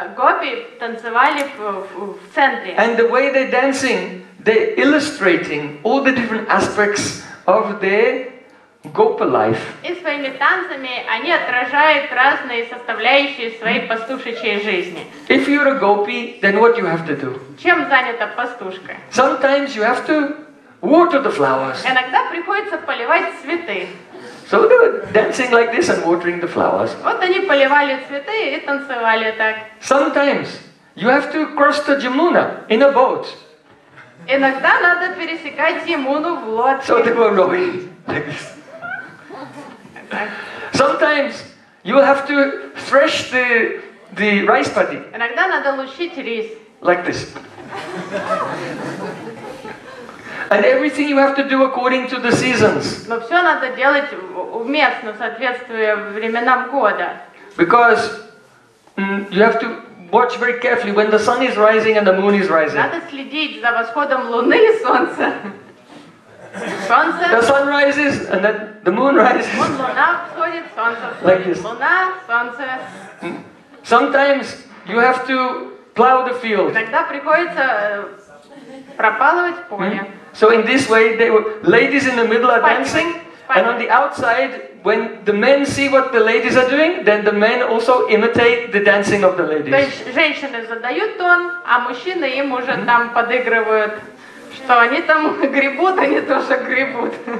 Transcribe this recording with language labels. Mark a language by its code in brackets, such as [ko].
[ru] Гопи танцевали в центре. [en] And the way they're dancing, they're illustrating all the different aspects of their gopa life. [ru] И своими танцами они отражают разные составляющие своей пастушечьей жизни. [en] If you're a gopi, then what you have to do? [ru] Чем занята пастушка? [en] Sometimes you have to water the flowers. [ru] Иногда приходится поливать цветы. [en] So they were dancing like this and watering the flowers. [ru] Вот они поливали цветы и танцевали так. [en] Sometimes you have to cross the Jamuna in a boat. [ru] Иногда надо пересекать Ямуну в лодке. [en] So they were rowing like this. Sometimes you have to thresh the rice paddy. [ru] Иногда надо лущить рис. [en] Like this. And everything you have to do according to the seasons. [ru] Но все надо делать уместно, соответствуя временам года. [en] Because you have to watch very carefully when the sun is rising and the moon is rising. [ru] Надо следить за восходом луны и солнца. Солнце. [en] The sun rises and then the moon rises. [ru] Луна всходит, солнце всходит. [en] Like this. [ru] Луна, солнце. [en] Sometimes you have to plow the field. [ru] Иногда приходится пропалывать поле. Mm-hmm. [en] So in this way, they were, ladies in the middle are dancing, and on the outside, when the men see what the ladies are doing, then the men also imitate the dancing of the ladies. [ru] То есть женщины задают тон, а мужчины им уже там подыгрывают, что они там гребут, они тоже гребут.